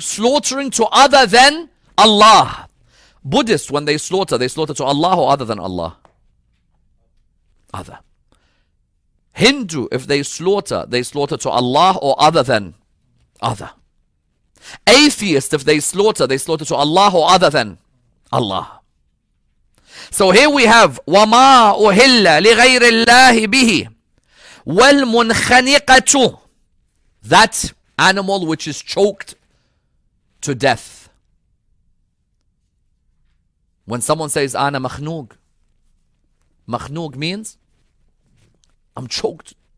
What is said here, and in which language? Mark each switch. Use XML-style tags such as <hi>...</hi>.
<en>Slaughtering to other than Allah. Buddhists, when they slaughter to Allah or other than Allah? Other. Hindu, if they slaughter to Allah or other than other. Atheist, if they slaughter to Allah or other than Allah. So here we have,</en> <ar>وَمَا أُهِلَّ لِغَيْرِ اللَّهِ بِهِ.</ar> <en>وَالْمُنْخَنِقَةُ That animal which is choked to death. When someone says,</en> <ar>أَنَا مَخْنُوق, مَخْنُوق</ar> <en>means, I'm choked.</en>